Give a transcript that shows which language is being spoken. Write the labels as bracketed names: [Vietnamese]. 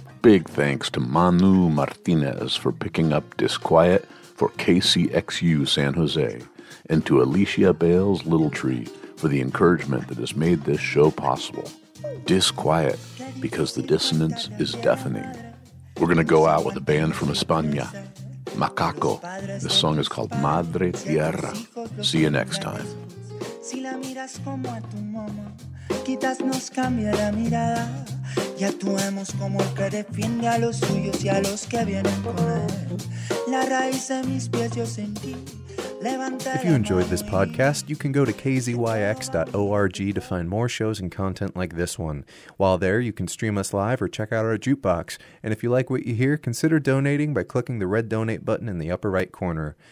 [English] Big thanks to Manu Martinez for picking up Disquiet for KCXU San Jose, and to Alicia Bales Little Tree for the encouragement that has made this show possible. Disquiet, because the dissonance is deafening. We're going to go out with a band from España, Macaco. This song is called Madre Tierra. See you next time. [Spanish] Si la miras como a tu mamá, quizás nos cambie la mirada y actuemos como el que defiende a los suyos y a los que vienen con él. La raíz de mis pies yo sentí. [English] If you enjoyed this podcast, you can go to kzyx.org to find more shows and content like this one. While there, you can stream us live or check out our jukebox. And if you like what you hear, consider donating by clicking the red donate button in the upper right corner.